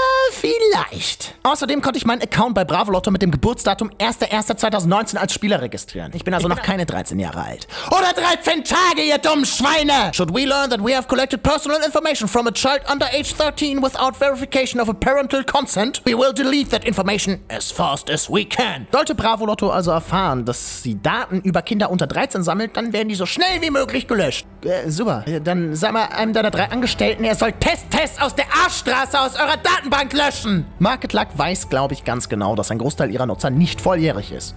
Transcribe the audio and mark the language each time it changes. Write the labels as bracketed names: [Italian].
[German] Vielleicht. Außerdem konnte ich meinen Account bei Bravo-Lotto mit dem Geburtsdatum 1.1.2019 als Spieler registrieren. Ich bin also noch keine 13 Jahre alt. Oder 13 Tage, ihr dummen Schweine! [English] Should we learn that we have collected personal information from a child under age 13 without verification of a parental consent, we will delete that information as fast as we can. [German] Sollte Bravo-Lotto also erfahren, dass sie Daten über Kinder unter 13 sammelt, dann werden die so schnell wie möglich gelöscht. Super. Dann sag mal einem deiner 3 Angestellten, er soll Tests aus der Arschstraße aus eurer Datenbank löschen. löschen. Market Luck weiß, glaube ich, ganz genau, dass ein Großteil ihrer Nutzer nicht volljährig ist.